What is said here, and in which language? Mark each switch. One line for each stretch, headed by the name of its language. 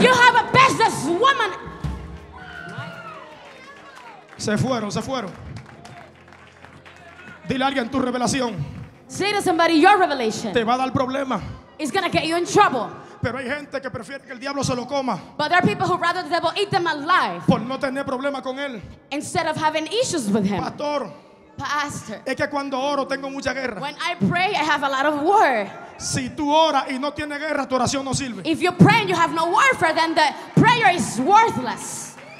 English: You have a business woman.
Spanish: Se fueron. Dile a alguien tu revelación.
English: Say to somebody your revelation.
Spanish: Te va a dar problema.
English: It's gonna get you in trouble.
Spanish: Pero hay gente que prefiere que el diablo se lo coma.
English: But there are people who rather the devil eat them alive.
Spanish: Por no tener problema con él.
English: Instead of having issues with him.
Spanish: Pastor.
English: Pastor.
Spanish: Es que cuando oro tengo mucha guerra.
English: When I pray, I have a lot of war.
Spanish: Si tú oras y no tienes guerra, tu oración no sirve.
English: If you pray and you have no warfare, then the prayer is worthless.